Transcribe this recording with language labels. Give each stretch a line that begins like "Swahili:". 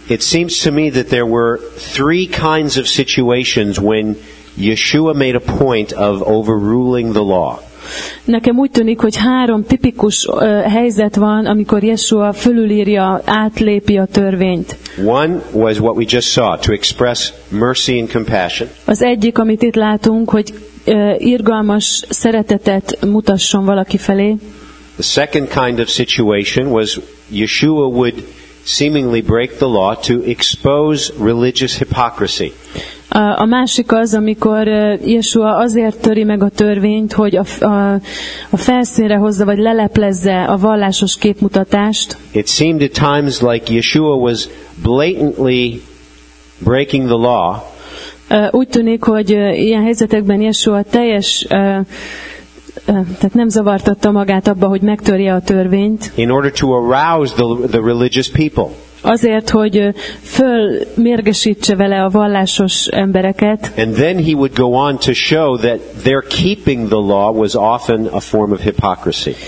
English: It seems to me that there were three kinds of situations when Yeshua made a point of overruling the law.
Hungarian: Nekem úgy tűnik, hogy három tipikus helyzet van, amikor Yeshua fölülírja, átlépi a törvényt.
English: One was what we just saw, to express mercy and compassion.
Hungarian: Az egyik, amit itt látunk, hogy irgalmas szeretetet mutasson valaki felé.
English: The second kind of situation was Yeshua would seemingly break the law to expose religious hypocrisy.
Hungarian: A másik az, amikor Yeshua azért töri meg a törvényt, hogy a felszínre hozza vagy leleplezze a vallásos képmutatást.
English: It seemed at times like Yeshua was blatantly breaking the law.
Hungarian: Úgy tűnik, hogy ilyen helyzetekben Yeshua teljes, tehát nem zavartatta magát abba, hogy megtörje a törvényt.
English: In order to arouse the religious people.
Hungarian: Azért, hogy fölmérgesítse vele a vallásos embereket.
English: And then he would go on to show that their keeping the law was often a form of hypocrisy.